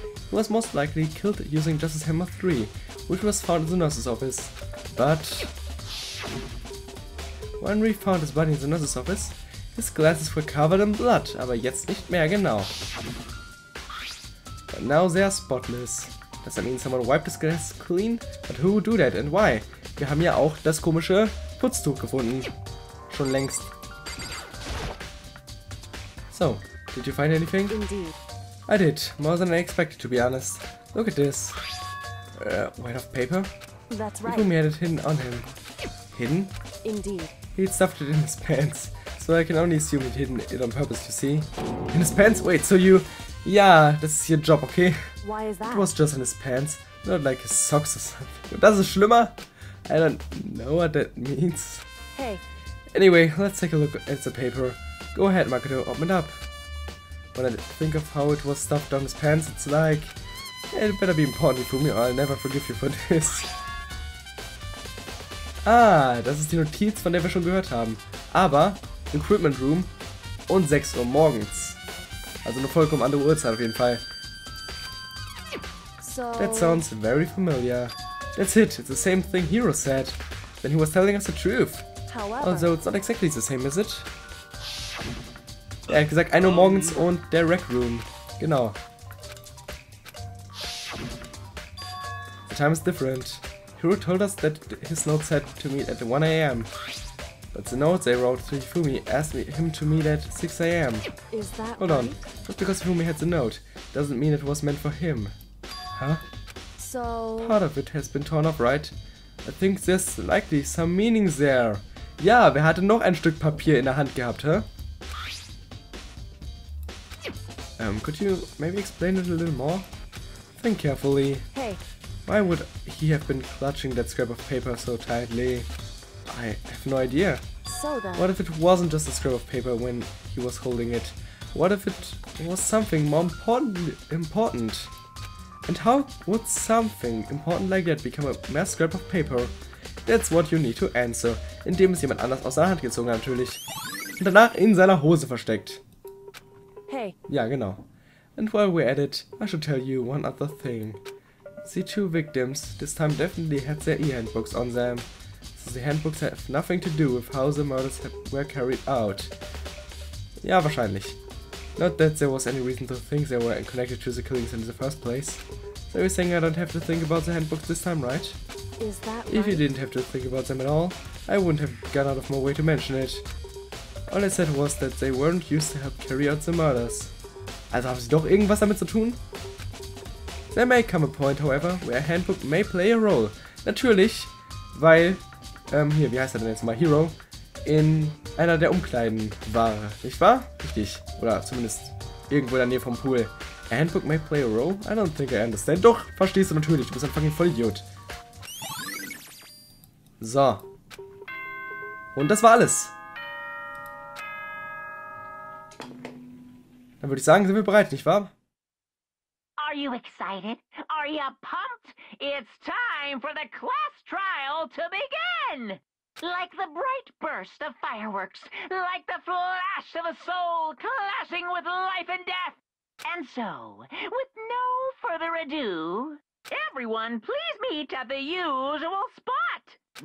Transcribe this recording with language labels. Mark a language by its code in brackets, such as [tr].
[en] He was most likely killed using Justice Hammer 3, which was found in the nurse's office. But when we found his body in the nurse's office, his glasses were covered in blood, [de] aber jetzt nicht mehr genau. [en] But now they are spotless. Does that mean someone wiped his glasses clean? But who would do that and why? [de] Wir haben ja auch das komische Putztuch gefunden. Schon längst. [en] So, did you find anything? Indeed. I did. More than I expected, to be honest. Look at this. White of paper? That's right. Ifumi had it hidden on him. Hidden? Indeed. He'd stuffed it in his pants. So I can only assume he'd hidden it on purpose, you see? In his pants? Wait, so you... Yeah, this is your job, okay? Why is that? It was just in his pants. Not like his socks or something. [de] Das ist schlimmer! [en] I don't know what that means. Hey. Anyway, let's take a look at the paper. Go ahead, Makoto, open it up. When I think of how it was stuffed down his pants, it's like... It better be important for me or I'll never forgive you for this. [de] Ah, das ist die Notiz, von der wir schon gehört haben. Aber, Equipment Room und 6 Uhr morgens. Also eine vollkommen andere Uhrzeit auf jeden Fall. [en] So that sounds very familiar. That's it, it's the same thing Hiro said. Then he was telling us the truth. However, although it's not exactly the same, is it? [de] Er hat gesagt, 1 Uhr morgens und der Rec Room. Genau. [en] The time is different. Hiro told us that his notes said to meet at 1 a.m. But the notes they wrote to Ifumi asked him to meet at 6 a.m. Is that hold on. Right? Just because Ifumi had the note doesn't mean it was meant for him. Huh? So part of it has been torn up, right? I think there's likely some meaning there. [de] Ja, wer hatte noch ein Stück Papier in der Hand gehabt, huh? [en] Could you maybe explain it a little more? Think carefully. Hey. Why would he have been clutching that scrap of paper so tightly? I have no idea. So then, what if it wasn't just a scrap of paper when he was holding it? What if it was something more important? And how would something important like that become a mass scrap of paper? That's what you need to answer. [de] Indem es jemand anders aus seiner Hand gezogen hat, natürlich. Und danach in seiner Hose versteckt. [en] Hey. [de] Ja, genau. [en] And while we're at it, I should tell you one other thing. The two victims this time definitely had their e-handbooks on them, so the handbooks have nothing to do with how the murders were carried out. [de] Ja, wahrscheinlich. [en] Not that there was any reason to think they were connected to the killings in the first place. So you're saying I don't have to think about the handbooks this time, right? Is that if you didn't have to think about them at all, I wouldn't have gone out of my way to mention it. All I said was that they weren't used to help carry out the murders. [de] Also haben sie doch irgendwas damit zu tun? [en] There may come a point, however, where a handbook may play a role. [de] Natürlich, weil, hier, wie heißt er denn jetzt mal? Hero, in einer der Umkleiden war, nicht wahr? Richtig, oder zumindest irgendwo in der Nähe vom Pool. [en] A handbook may play a role? I don't think I understand. [de] Doch, verstehst du natürlich, du bist ein fucking Vollidiot. So. Und das war alles. Dann würde ich sagen, sind wir bereit, nicht wahr? [en] Are you excited? Are you pumped? It's time for the class trial to begin! Like the bright burst of fireworks, like the flash of a soul clashing with life and death. And so, with no further ado, everyone please meet at the usual spot.